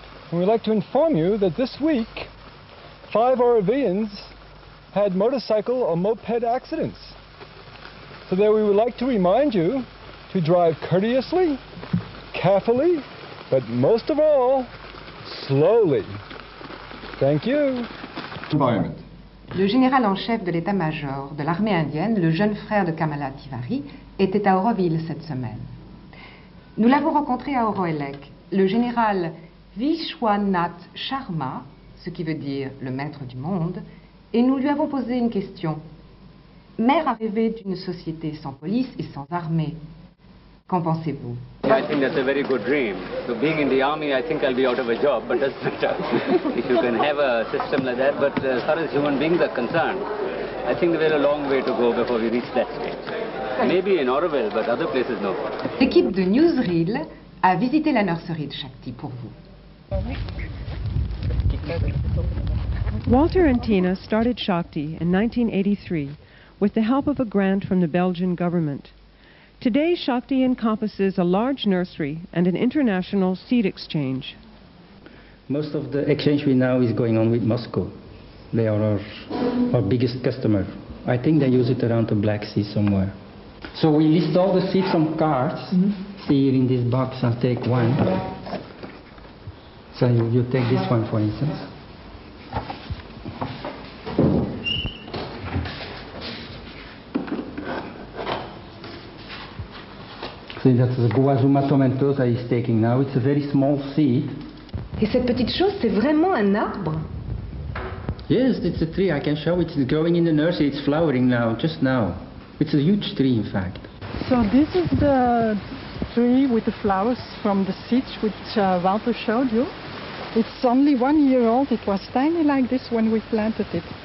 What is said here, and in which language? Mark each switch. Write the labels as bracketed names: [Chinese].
[English] And we'd like to inform you that this week, 5 Orovians had motorcycle or moped accidents. So there we would like to remind you to drive courteously, carefully, but most of all, slowly. Thank you. Environment. [French] Le général en chef de l'état-major de l'armée indienne, le jeune frère de Kamala Tiwari, était à Auroville cette semaine. Nous l'avons rencontré à Auroelec, le général Vishwanath Sharma, ce qui veut dire le maître du monde, et nous lui avons posé une question. Maire a rêvé d'une société sans police et sans armée. Qu'en pensez-vous? [English] I think that's a very good dream. So being in the army, I think I'll be out of a job, but that's not tough. If you can have a system like that. But as far as human beings are concerned, I think we're a long way to go before we reach that stage. Maybe in Auroville, but other places, no. [French] L'équipe de Newsreel a visité la nurserie de Shakti pour vous. [English] Walter and Tina started Shakti in 1983 with the help of a grant from the Belgian government. Today, Shakti encompasses a large nursery and an international seed exchange. Most of the exchange we now is going on with Moscow. They are our biggest customer. I think they use it around the Black Sea somewhere. So we list all the seeds on cards, mm-hmm. See here in this box and take one. So you take this one, for instance. See, that's the Guazuma tomentosa that he's taking now. It's a very small seed. [French] Et cette petite chose, c'est vraiment un arbre? [English] Yes, it's a tree. I can show it. It's growing in the nursery. It's flowering now, just now. It's a huge tree, in fact. So this is the tree with the flowers from the seeds which Walter showed you. It's only 1 year old. It was tiny like this when we planted it.